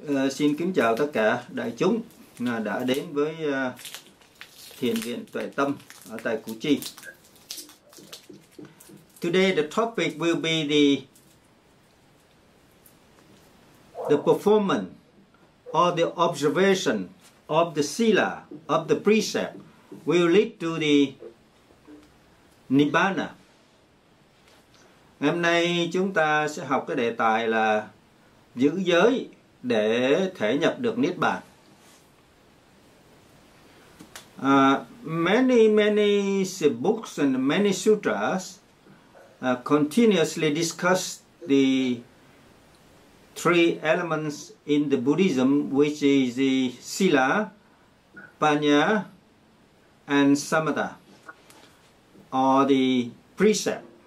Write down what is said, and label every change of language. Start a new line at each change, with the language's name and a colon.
Vietnamese: Xin kính chào tất cả đại chúng đã đến với Thiền viện Tuệ Tâm ở tại Kuchi.
English: Today the topic will be the performance or the observation of the sila, of the precept, will lead to the Nibbana.
Vietnamese: Hôm nay chúng ta sẽ học cái đề tài là giữ giới để thể nhập được Niết Bàn.
English: Many books and many sutras continuously discuss the three elements in the Buddhism, which is the sila, panya, and samatha, or the precept.